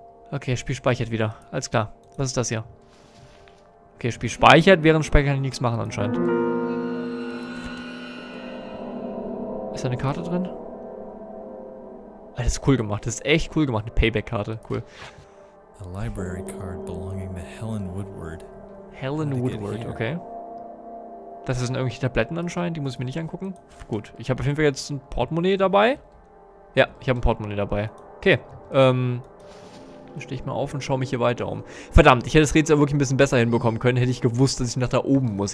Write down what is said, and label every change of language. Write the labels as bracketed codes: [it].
[de] Okay, Spiel speichert wieder. Alles klar. Was ist das hier? Okay, Spiel speichert, während Speicher kann ich nichts machen anscheinend. Ist da eine Karte drin? Alter, das ist cool gemacht. Das ist echt cool gemacht. Eine Payback-Karte. Cool. [en] A library card belonging to Helen Woodward. [de] Helen Woodward, okay. Das sind irgendwelche Tabletten anscheinend, die muss ich mir nicht angucken. Gut, ich habe auf jeden Fall jetzt ein Portemonnaie dabei. Ja, ich habe ein Portemonnaie dabei. Okay, dann stehe ich mal auf und schaue mich hier weiter um. Verdammt, ich hätte das Rätsel wirklich ein bisschen besser hinbekommen können, hätte ich gewusst, dass ich nach da oben muss.